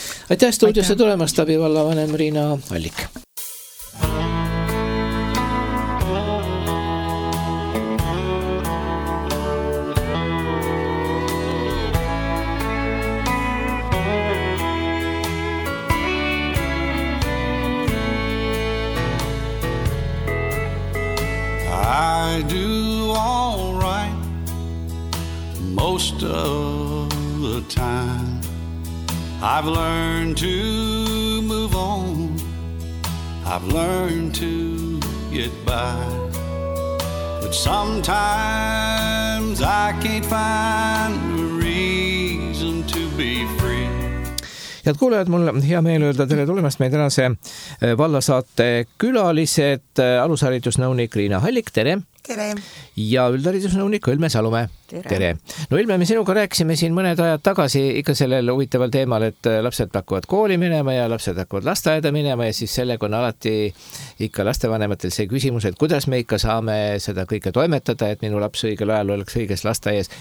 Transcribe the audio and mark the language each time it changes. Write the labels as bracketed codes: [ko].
[et] aitäh stuudiosse tulemast , abivallavanem Riina Allik . [en] I do all right most of the time. I've learned to move on I've learned to get by. But sometimes I can't find a reason to be free. [et] Head kuulajad, mul hea meel öelda teile tulemast meie tänase vallasaate külalised, alusharidusnõunik Riina Hallik, tere! Tere! Ja üldharidusnõunik Ülme Salume, tere! No Ülme, me sinuga rääkisime siin mõned ajad tagasi ikka sellel huvitaval teemal, et lapsed hakkavad kooli minema ja lapsed hakkavad lasteaeda minema ja siis sellega on alati ikka lastevanematel see küsimus, et kuidas me ikka saame seda kõike toimetada, et minu laps õigel ajal oleks õiges lasteaias.